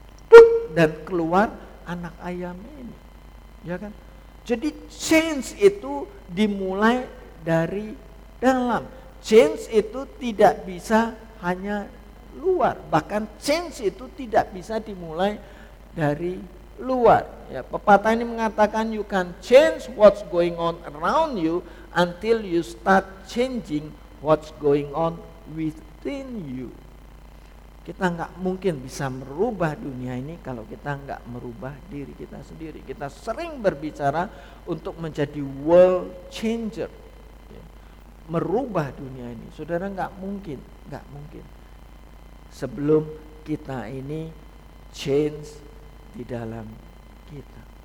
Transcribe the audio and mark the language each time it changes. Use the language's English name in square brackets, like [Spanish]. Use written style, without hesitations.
[Indonesian] Tuk, dan keluar anak ayam ini. Ya kan? Jadi change itu dimulai dari dalam. Change itu tidak bisa hanya luar. Bahkan change itu tidak bisa dimulai dari luar. Ya, pepatah ini mengatakan [English] you can change what's going on around you until you start changing what's going on within you. [Indonesian] Kita enggak mungkin bisa merubah dunia ini kalau kita enggak merubah diri kita sendiri. Kita sering berbicara untuk menjadi world changer. Merubah dunia ini, saudara, enggak mungkin. Sebelum kita ini change di dalam kita.